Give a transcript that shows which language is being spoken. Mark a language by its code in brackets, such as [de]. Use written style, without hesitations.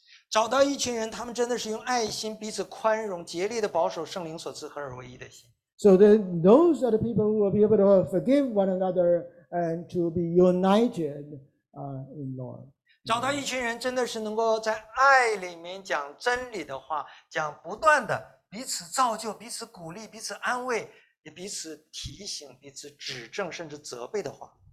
[zh] 找到一群人，他们真的是用爱心彼此宽容，竭力的保守圣灵所赐合而为一的心。 [en] So then those are the people who will be able to forgive one another and to be united in Lord. [zh] 找到一群人，真的是能够在爱里面讲真理的话，讲不断的彼此造就、彼此鼓励、彼此安慰。也彼此提醒、彼此指正，甚至责备的话。